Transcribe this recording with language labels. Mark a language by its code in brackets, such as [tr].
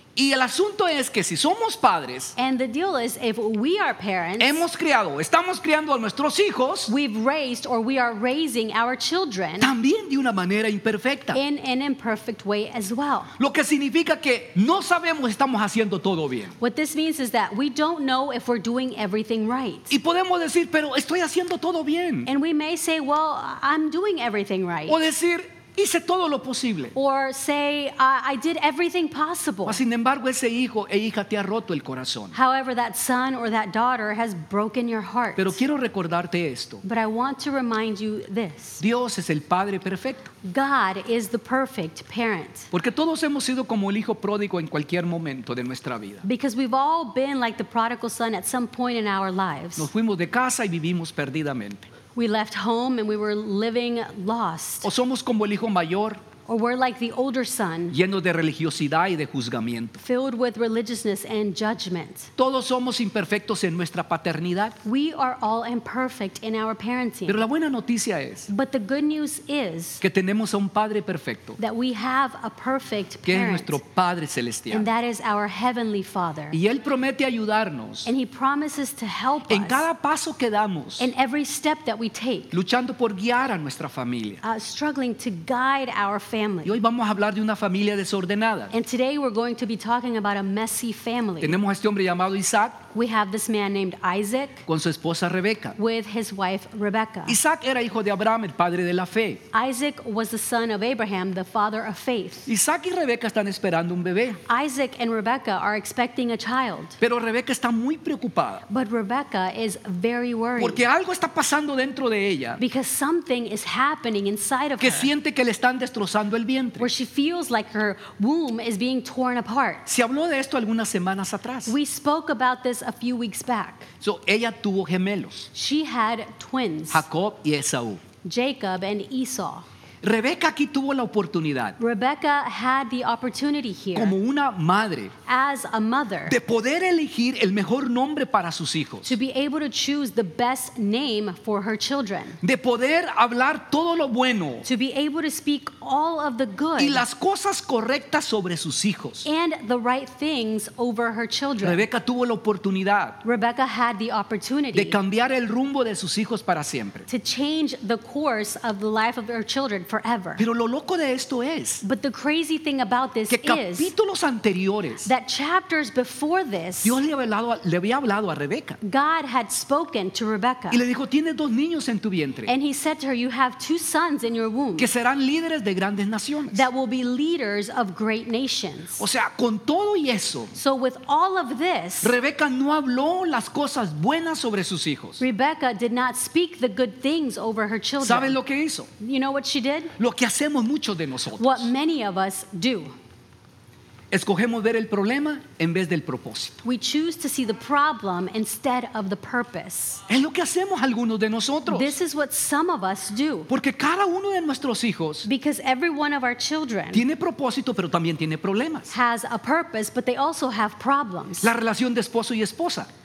[es] Y el asunto es que si somos padres, [en] and the deal is, if we are parents, [es] hemos criado, estamos criando a nuestros hijos, [en] we've raised or we are raising our children, [es] también de una manera imperfecta, [en] in an imperfect way as well. [es] Lo que significa que no sabemos estamos haciendo todo bien. [en] What this means is that we don't know if we're doing everything right. [es] Y podemos decir, pero estoy haciendo todo bien. [en] And we may say, well, I'm doing everything right. [es] O decir, hice todo lo posible. [en] Or say, I did everything possible. [es] Mas, sin embargo, ese hijo e hija te ha roto el corazón. [en] However, that son or that daughter has broken your heart. [es] Pero quiero recordarte esto. [en] But I want to remind you this. [es] Dios es el padre perfecto. [en] God is the perfect parent. [es] Porque todos hemos sido como el hijo pródigo en cualquier momento de nuestra vida. [en] Because we've all been like the prodigal son at some point in our lives. [es] Nos fuimos de casa y vivimos perdidamente. [en] We left home and we were living lost. [es] O somos como el hijo mayor. [en] Or we're like the older son. [es] Lleno de religiosidad y de juzgamiento. [en] Filled with religiousness and judgment. [es] Todos somos imperfectos en nuestra paternidad. [en] We are all imperfect in our parenting. [es] Pero la buena noticia es, [en] but the good news is, [es] que tenemos a un padre perfecto. [en] That we have a perfect parent. [es] Que es nuestro Padre Celestial. [en] And that is our Heavenly Father. [es] Y él promete ayudarnos. [en] And he promises to help en us. [es] Cada paso que damos. [en] In every step that we take. [es] Luchando por guiar a nuestra familia. [en] Struggling to guide our family. [es] Y hoy vamos a hablar de una familia desordenada. [en] And today we're going to be talking about a messy family. [es] Tenemos a este hombre llamado Isaac. [en] We have this man named Isaac. [es] Con su esposa Rebeca. [en] With his wife Rebecca. [es] Isaac era hijo de Abraham, el padre de la fe. [en] Isaac was the son of Abraham, the father of faith. [es] Isaac y Rebeca están esperando un bebé. [en] Isaac and Rebecca are expecting a child. [es] Pero Rebeca está muy preocupada. [en] But Rebecca is very worried. [es] Porque algo está pasando dentro de ella. [en] Because something is happening inside of [es] que [en] her. [es] Que siente que le están destrozando. [en] Where she feels like her womb is being torn apart. [es] Se habló de esto algunas semanas atrás. [en] We spoke about this a few weeks back. [es] So ella tuvo gemelos. [en] She had twins. [es] Jacob y Esaú. [en] Jacob and Esau. [es] Rebeca aquí tuvo la oportunidad. [en] Rebecca had the opportunity here. [es] Como una madre. [en] As a mother. [es] De poder elegir el mejor nombre para sus hijos. [en] To be able to choose the best name for her children. [es] De poder hablar todo lo bueno. [en] To be able to speak all of the good. [es] Y las cosas correctas sobre sus hijos. [en] And the right things over her children. [es] Rebeca tuvo la oportunidad. [en] Rebecca had the opportunity. [es] De cambiar el rumbo de sus hijos para siempre. [en] To change the course of the life of her children. forever. [es] Pero lo loco de esto es, [en] but the crazy thing about this [es] que capítulos anteriores, [en] that chapters before this, [es] Dios le había hablado a Rebeca. [en] God had spoken to Rebecca. [es] Y le dijo, tienes dos niños en tu vientre. [en] And he said to her, you have two sons in your womb. [es] Que serán líderes de grandes naciones. [en] That will be leaders of great nations. [es] O sea, con todo y eso, [en] so with all of this, [es] Rebeca no habló las cosas buenas sobre sus hijos. [en] Rebecca did not speak the good things over her children. [es] ¿Saben lo que hizo? [en] You know what she did? [es] Lo que hacemos muchos de nosotros. [en] What many of us do. [es] Escogemos ver el problema en vez del propósito. [en] We choose to see the problem instead of the purpose. [es] Es lo que hacemos algunos de nosotros. [en] This is what some of us do. [es] Porque cada uno de nuestros hijos, [en] because every one of our children, [es] tiene propósito pero también tiene problemas. [en] Has a purpose but they also have problems. [es] La relación de esposo y esposa,